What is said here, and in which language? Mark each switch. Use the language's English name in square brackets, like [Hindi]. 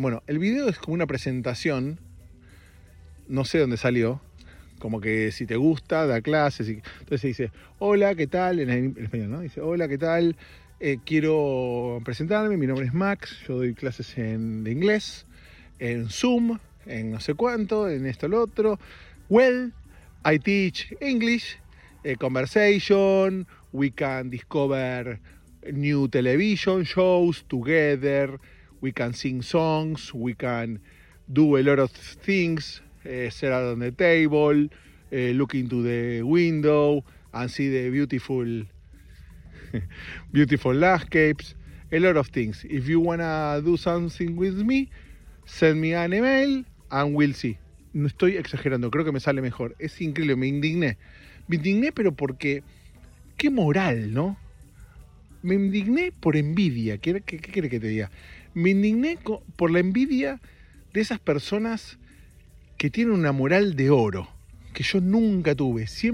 [Spanish] Bueno, el video es como una presentación. No sé dónde salió. Como que si te gusta, da clases. Y... Entonces dice, hola, ¿qué tal? En español, ¿no? Dice, hola, ¿qué tal? Quiero presentarme. Mi nombre es Max. Yo doy clases de inglés. En Zoom, en no sé cuánto, en esto, el otro. [English] Well, I teach English, conversation, we can discover new television shows together, we can sing songs, we can Do a Lot of Things, Set on the Table, Looking to the Window, and See the Beautiful Beautiful Landscapes, a lot of things. If you wanna do something with me, send me an email and we'll see. [Spanish] No estoy exagerando, creo que me sale mejor. Es increíble, me indigné. Me indigné, pero porque, qué moral, ¿no? Me indigné por envidia. ¿Qué quiere que te diga? Me indigné por la envidia de esas personas que tienen una moral de oro, que yo nunca tuve.